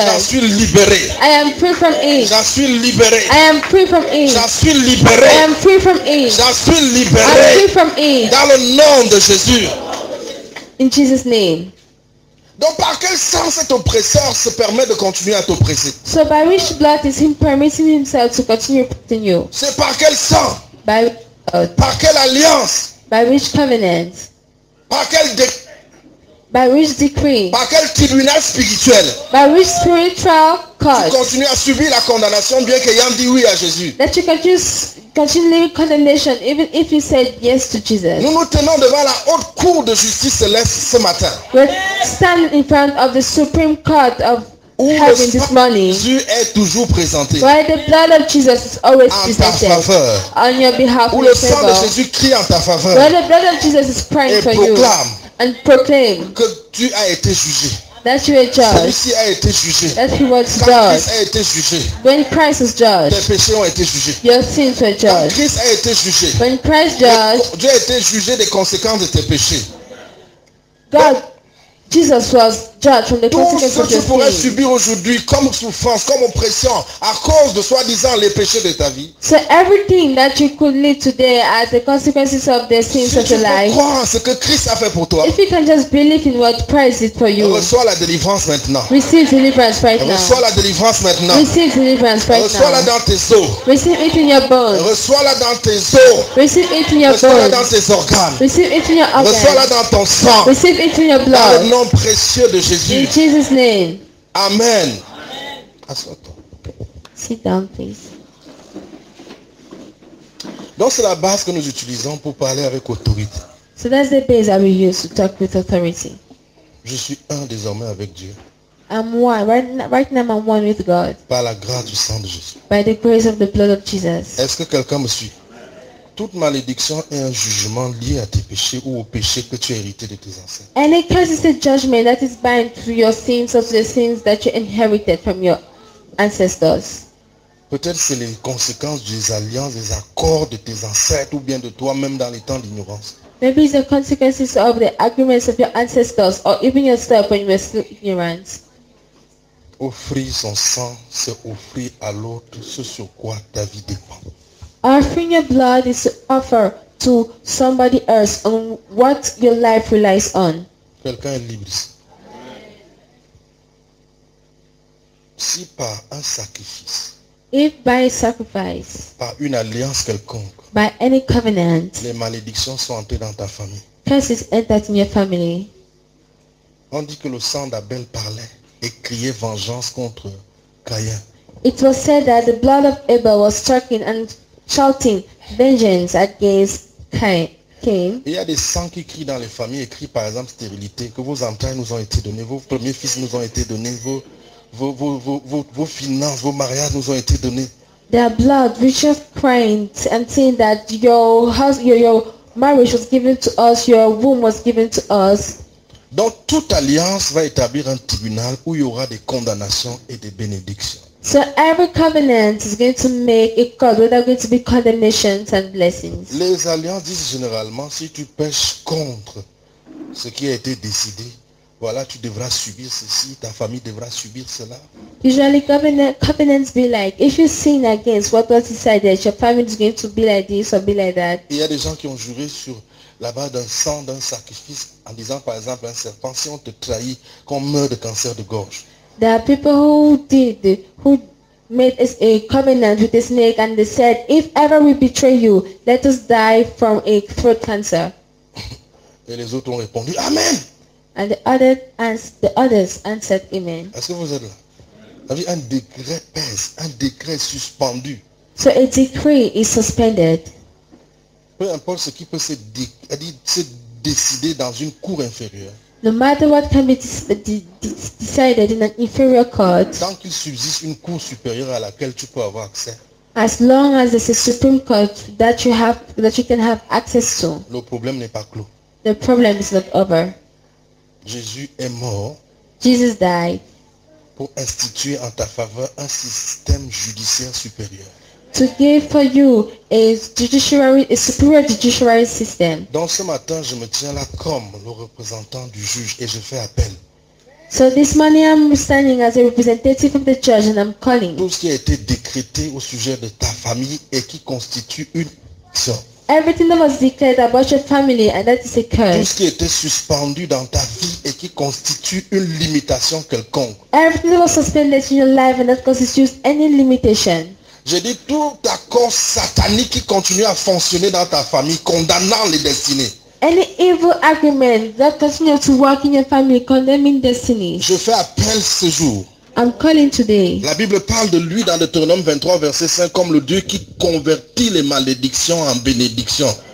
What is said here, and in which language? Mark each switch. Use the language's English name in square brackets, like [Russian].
[French] J'en suis libéré. [English] I am free from it. [French] J'en suis libéré. [English] I am free from it. [French] J'en suis libéré. [English] I am free from it. [French] J'en suis libéré. [English] I am free from it. [French] Dans le nom de Jésus. [English] In Jesus' name. [French] Donc par quel sens cet oppresseur se permet de continuer à t'oppresser? [English] So by which blood is he permitting himself to continue putting you? [French] C'est par quel sang? [English] By blood. [French] Par quelle alliance? [English] By which covenant? [French] Par quel décret? [English] By which decree? [French] Par quel tribunal spirituel? [English] By which spiritual court? [French] Tu continues à subir la condamnation bien qu'ayant dit oui à Jésus. [English] That you continue living condemnation even if you said yes to Jesus. [French] Nous nous tenons devant la haute cour de justice céleste ce matin. [English] We stand in front of the Supreme Court of heaven this morning. [French] Où Jésus est toujours présenté. [English] Why the blood of Jesus is always presented. [French] En ta faveur. [English] On your behalf. [French] Où le sang de Jésus crie en ta faveur. [English] Where the blood of Jesus is crying for you. [French] Et proclame. [English] And proclaim [French] que tu as été jugé. [English] That you are judged. [French] Celui-ci a été jugé. [English] That he was [French] Quand [English] judged. [French] Christ a été jugé. [English] When Christ was judged. [French] Tes péchés ont été jugés. [English] Your sins were judged. [French] Quand Christ a été jugé. [English] When Christ judged. [French] Dieu a été jugé des conséquences de tes péchés. [English] God, Jesus was judge from the consequences of your sin. [French] Tout ce que tu pourrais subir aujourd'hui comme souffrance, comme oppression, à cause de soi-disant les péchés de ta vie. [English] So everything that you could live today as the consequences of the sins [French] si [English] of your life. [French] Si tu crois en ce que Christ a fait pour toi. [English] If you can just believe in what Christ did for you. [French] Reçois la délivrance maintenant. [English] Receive deliverance right now. [French] Reçois la délivrance maintenant. [English] Receive deliverance right now. [French] Reçois-la dans tes os. [English] Receive it in your bones. [French] Reçois-la dans tes os. [English] Receive it in your bones. [French] Reçois-la dans tes organes. [English] Receive it in your organs. [French] Reçois-la dans ton sang. [English] Receive it in your blood. [French] Dans le nom précieux de Jésus. [English] In Jesus' name. Amen. [French] Assois-toi. [English] Sit down, please. [French] Donc c'est la base que nous utilisons pour parler avec autorité. [English] So that's the base that we use to talk with authority. [French] Je suis un désormais avec Dieu. [English] I'm one. Right now I'm one with God. [French] Par la grâce du sang de Jésus. [English] By the grace of the blood of Jesus. [French] Est-ce que quelqu'un me suit? Toute malédiction est un jugement lié à tes péchés ou au péché que tu as hérité de tes ancêtres. [English] Any curse is a judgment that is bound to your sins or to the sins that you inherited from your ancestors. [French] Peut-être c'est les conséquences des alliances, des accords de tes ancêtres ou bien de toi-même dans les temps d'ignorance. [English] Maybe it's the consequences of the agreements of your ancestors or even yourself when you were still ignorant. [French] Offrir son sang, c'est offrir à l'autre ce sur quoi ta vie dépend. [English] Offering your blood is to offer to somebody else on what your life relies on. [French] Quelqu'un est libre. Si par un sacrifice. [English] If by sacrifice. [French] Par une alliance quelconque. [English] By any covenant. [French] Les malédictions sont entrées dans ta famille. [English] Curses entered in your family. [French] On dit que le sang d'Abel parlait et criait vengeance contre Caïn. [English] It was said that the blood of Abel was talking and shouting vengeance against Cain. [French] Il y a des sangs qui crient dans les familles, écrit par exemple stérilité, que vos entrailles nous ont été données, vos premiers fils nous ont été donnés, vos finances, vos mariages nous ont été donnés. [English] There are blood which is crying and saying that your marriage was given to us, your womb was given to us. [French] Donc toute alliance va établir un tribunal où il y aura des condamnations et des bénédictions. [English] So every covenant is going to make a code where there are going to be condemnations and blessings. [French] Les alliances disent généralement, si tu pèches contre ce qui a été décidé, voilà, tu devras subir ceci, ta famille devra subir cela. [English] Usually covenants be like, if you sin against what was decided, your family is going to be like this or be like that. [French] Il y a des gens qui ont juré sur la base d'un sang, d'un sacrifice, en disant par exemple un serpent, si on te trahit, qu'on meurt de cancer de gorge. [English] There are people who made a covenant with a snake and they said, if ever we betray you, let us die from a throat cancer. [French] Et les autres ont répondu, amen. [English] And the others answered, amen. [French] Est-ce que vous êtes là? Avez un décret pèse, un décret suspendu. [English] So a decree is suspended. [French] Peu importe ce qui peut se décider dans une cour inférieure. [English] No matter what can be decided in an inferior court. [French] Tant qu'il subsiste une cour supérieure à laquelle tu peux avoir accès. [English] As long as there's a supreme court that you can have access to. [French] Le problème n'est pas clos. [English] The problem is not over. [French] Jésus est mort. [English] Jesus died. [French] Pour instituer en ta faveur un système judiciaire supérieur. [English] To give for you a superior judiciary system. [French] Donc ce matin, je me tiens là comme le représentant du juge et je fais appel. [English] So this morning I'm standing as a representative of the judge and I'm calling. [French] Tout ce qui a été décrété au sujet de ta famille et qui constitue une action. [English] Everything that was declared about your family and that is a curse. [French] Tout ce qui était suspendu dans ta vie et qui constitue une limitation quelconque. [English] Everything that was suspended in your life and that constitutes any limitation. [French] J'ai dit tout accord satanique qui continue à fonctionner dans ta famille, condamnant les destinées. [English] Any evil argument that continues to work in your family, condemning destiny. [French] Je fais appel ce jour. [English] I'm calling today. [French] La Bible parle de lui dans Deutéronome 23, verset 5, comme le Dieu qui convertit les malédictions en bénédictions.